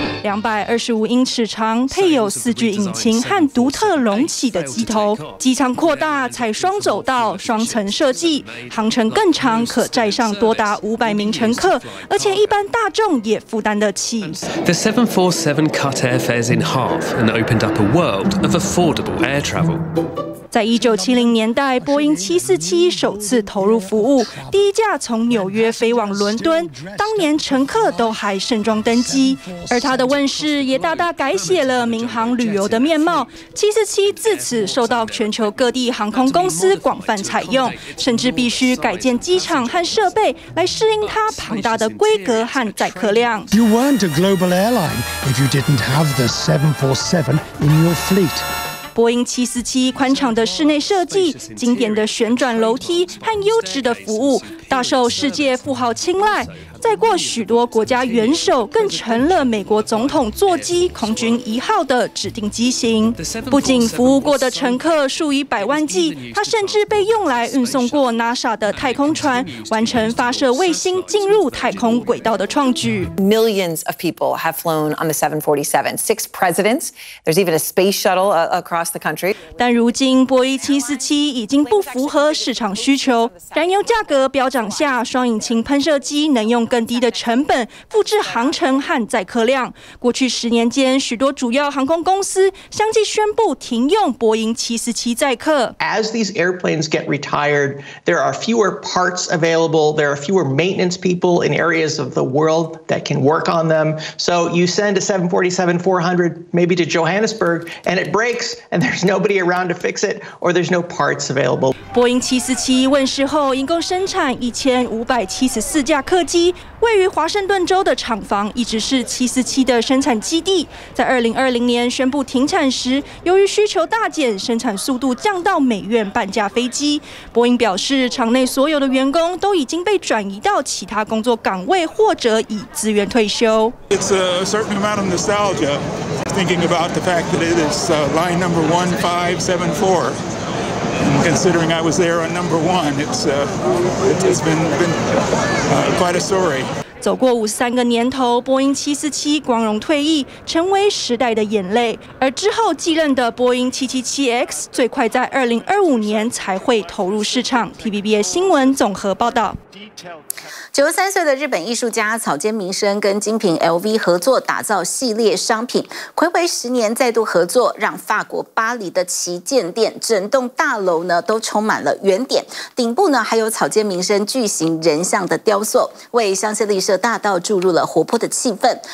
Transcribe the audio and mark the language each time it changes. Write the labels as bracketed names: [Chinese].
[Chinese] 225英尺长，配有4具引擎和独特隆起的机头，机舱扩大，采双走道、双层设计，航程更长，可载上多达500名乘客，而且一般大众也负担得起。 [English] The 747 cut airfares in half and opened up a world of affordable air travel. [Chinese] 在1970年代，波音747首次投入服务，第一架从纽约飞往伦敦，当年乘客都还盛装登机。而它的问世也大大改写了民航旅游的面貌。 747自此受到全球各地航空公司广泛采用，甚至必须改建机场和设备来适应它庞大的规格和载客量。 [English] You weren't a global airline if you didn't have the 747 in your fleet. [Chinese] 波音747宽敞的室内设计、经典的旋转楼梯和优质的服务，大受世界富豪青睐。载过许多国家元首，更成了美国总统座机空军一号的指定机型。不仅服务过的乘客数以百万计，它甚至被用来运送过 NASA 的太空船，完成发射卫星进入太空轨道的创举。 [English] Millions of people have flown on the 747. Six presidents. There's even a space shuttle across the country. [Chinese] 但如今波音747已经不符合市场需求，燃油价格飙涨下，双引擎喷射机能用更低的成本复制航程和载客量。过去十年间，许多主要航空公司相继宣布停用波音747载客。 [English] As these airplanes get retired, there are fewer parts available. There are fewer maintenance people in areas of the world that can work on them. So you send a 747-400 maybe to Johannesburg and it breaks, and there's nobody around to fix it, or there's no parts available. [Chinese] 波音747问世后，一共生产1574架客机。位于华盛顿州的厂房一直是747的生产基地，在2020年宣布停产时，由于需求大减，生产速度降到每月半架飞机。波音表示，厂内所有的员工都已经被转移到其他工作岗位或者已自愿退休。 [English] It's a certain amount of nostalgia thinking about the fact that it is line number 1574. Considering I was there on number one, it's been quite a story. [Chinese] 走过53个年头，波音747光荣退役，成为时代的眼泪。而之后继任的波音777X 最快在2025年才会投入市场。 TVBS 新闻综合报道。 93岁的日本艺术家草间弥生跟精品 LV 合作打造系列商品，暌违10年再度合作，让法国巴黎的旗舰店整栋大楼呢都充满了原点，顶部呢还有草间弥生巨型人像的雕塑，为香榭丽舍大道注入了活泼的气氛。